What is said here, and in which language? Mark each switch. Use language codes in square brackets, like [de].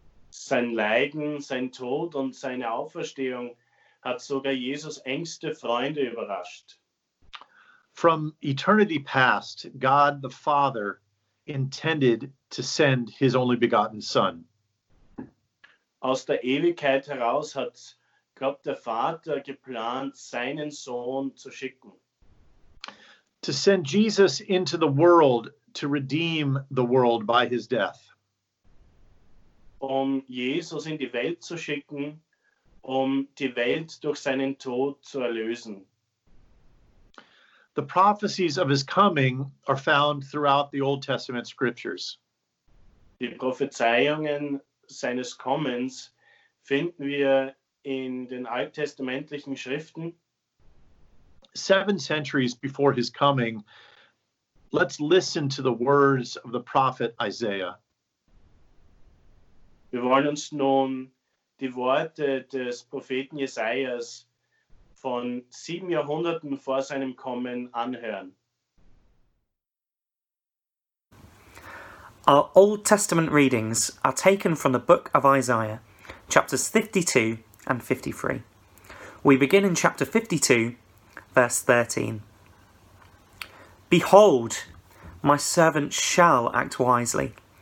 [de] Sein Leiden, sein Tod und seine Auferstehung hat sogar Jesus' engste Freunde überrascht. [en] From eternity past, God the Father intended to send his only begotten Son. [de] Aus der Ewigkeit heraus hat Gott der Vater geplant, seinen Sohn zu schicken. [en] To send Jesus into the world to redeem the world by his death. [de] Um Jesus in die Welt zu schicken, um die Welt durch seinen Tod zu erlösen. [en] The prophecies of his coming are found throughout the Old Testament scriptures. [de] Die Prophezeiungen seines Kommens finden wir in den alttestamentlichen Schriften. [en] 7 centuries before his coming, let's listen to the words of the prophet Isaiah. [de] Wir wollen uns nun die Worte des Propheten Jesajas von 7 Jahrhunderten vor seinem Kommen anhören. [en] Our Old Testament readings are taken from the book of Isaiah, chapters 52 and 53. We begin in chapter 52, verse 13. Behold, my servant shall act wisely.